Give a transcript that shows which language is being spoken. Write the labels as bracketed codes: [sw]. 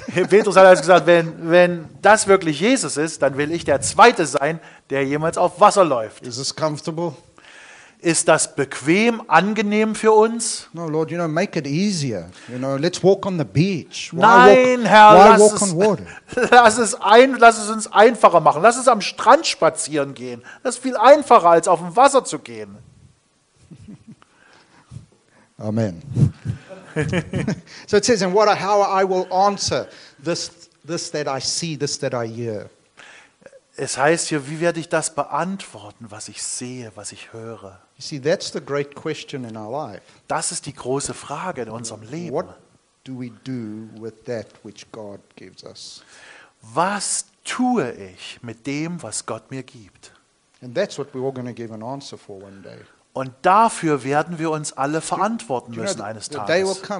[de] Petrus hat also gesagt, wenn das wirklich Jesus ist, dann will ich der Zweite sein, der jemals auf Wasser läuft. [en] Is this comfortable? [de] Ist das bequem, angenehm für uns? [en] No, Lord, you know, make it easier. You know, let's walk on the beach. [de] Lass es uns einfacher machen. Lass es am Strand spazieren gehen. Das ist viel einfacher, als auf dem Wasser zu gehen. Amen. [en] So it says, and what how I will answer this that I see, this that I hear. [de] Es heißt hier, wie werde ich das beantworten, was ich sehe, was ich höre? [en] You see, that's the great question in our life. [de] Das ist die große Frage in unserem Leben. [en] What do we do with that which God gives us? [de] Was tue ich mit dem, was Gott mir gibt? [en] And that's what we're all going to give an answer for one day. [de] Und dafür werden wir uns alle verantworten müssen eines Tages.